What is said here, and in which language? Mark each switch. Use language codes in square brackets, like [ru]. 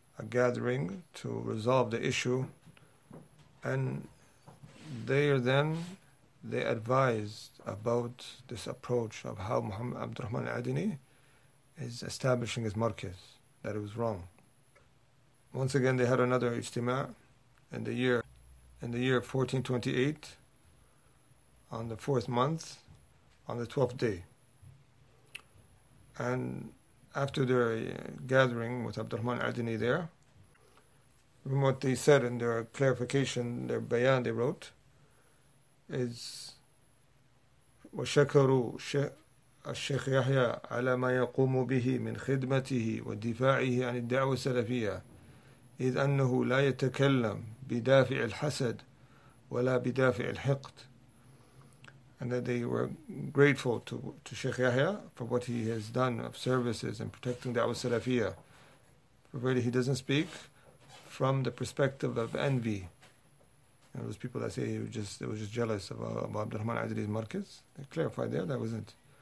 [en] gathering to resolve the issue, and they advised about this approach of how Muhammad Abdurrahman al-Adini is establishing his markiz, that it was wrong. Once again, they had another ijtima' in the year 1428, on the fourth month, on the 12th day. And after their gathering with Abdurrahman al-Adini there, remember what they said in their clarification, their bayan they wrote, is [ar] وَشَكَرُوا الشَّيْخِ يَحْيَى عَلَى مَا يَقُومُ بِهِ مِنْ خِدْمَتِهِ وَدِفَاعِهِ عَنِ الدَّعْوَ السَّلَفِيَّةِ إِذْ أَنَّهُ لَا يَتَكَلَّمْ بِدَافِعِ الْحَسَدْ وَلَا بِدَافِعِ الْحِقْدْ. [en] And that they were grateful to Sheikh Yahya for what he has done of services and protecting the Da'wah Salafiyyah. Really, he doesn't speak from the perspective of envy. You know, those people that say they were just jealous of Abdurrahman al-Adili's markets, they clarified there that wasn't.